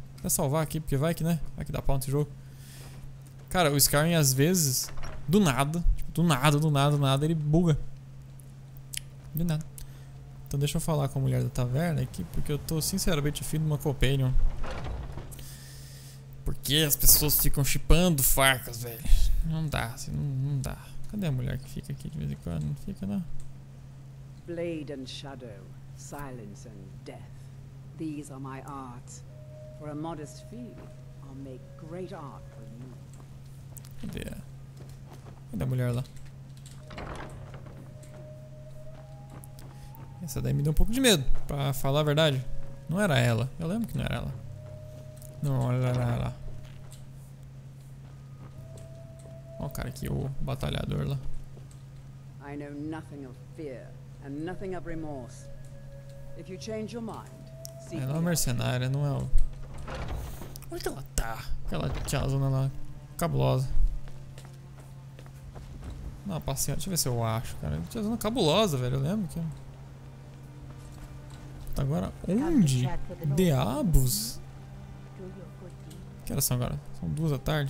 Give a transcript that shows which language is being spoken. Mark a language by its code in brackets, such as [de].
[pt] Vou salvar aqui, porque vai que, né? Vai que dá pau nesse jogo. Cara, o Skyrim às vezes, do nada, tipo, do nada, ele buga. De nada. Então deixa eu falar com a mulher da taverna aqui, porque eu tô sinceramente afim de uma companion. Porque as pessoas ficam shippando facas, velho. Não dá, assim, não dá. Cadê a mulher que fica aqui de vez em quando? Não fica, não. [en] Blade and shadow, silence and death. These are my arts. For a modest fee, I'll make great art for you. [pt] Cadê a mulher lá? Essa daí me deu um pouco de medo, pra falar a verdade. Não era ela. Eu lembro que não era ela. Não, olha lá. Ó o cara aqui, o batalhador lá. [en] I know nothing of fear and nothing of remorse. If you change your mind, see. [pt] Ela é uma mercenária, não é o. Onde que ela tá? Aquela tiazona lá. Cabulosa. Não, passei. Deixa eu ver se eu acho, cara. Tiazona cabulosa, velho. Eu lembro que. Tá agora onde? Diabos? Que horas são agora? São 2 da tarde?